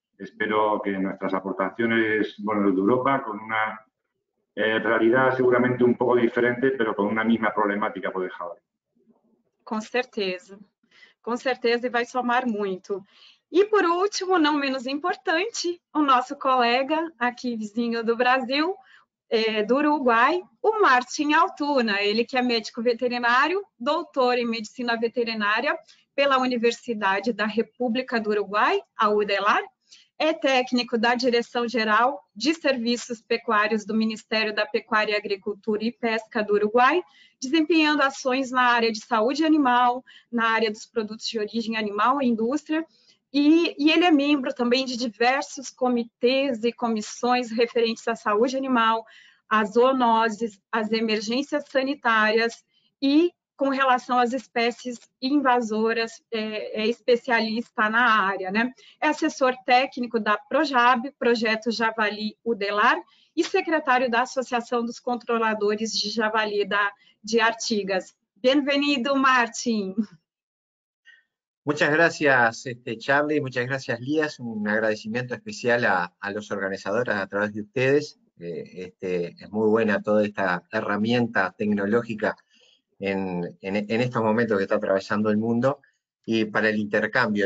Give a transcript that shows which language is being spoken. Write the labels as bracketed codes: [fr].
[es] Espero que nuestras aportaciones, bueno, de Europa, con una realidad seguramente un poco diferente, pero con una misma problemática, por dejar. Con certeza. [pt] Com certeza, e vai somar muito. E, por último, não menos importante, o nosso colega aqui vizinho do Brasil, do Uruguai, o Martin Altuna, ele que é médico veterinário, doutor em medicina veterinária pela Universidade da República do Uruguai, a UDELAR, é técnico da Direção-Geral de Serviços Pecuários do Ministério da Pecuária, Agricultura e Pesca do Uruguai, desempenhando ações na área de saúde animal, na área dos produtos de origem animal e indústria, e ele é membro também de diversos comitês e comissões referentes à saúde animal, às zoonoses, às emergências sanitárias e com relação às espécies invasoras, é especialista na área, né? É assessor técnico da Projab, Projeto Javali UDELAR, e secretário da Associação dos Controladores de Javali de Artigas. Bem-vindo, Martin! [es] Muchas gracias, Charlie, muchas gracias, Lías. Un agradecimiento especial a los organizadores a través de ustedes. Es muy buena toda esta herramienta tecnológica en estos momentos que está atravesando el mundo y para el intercambio.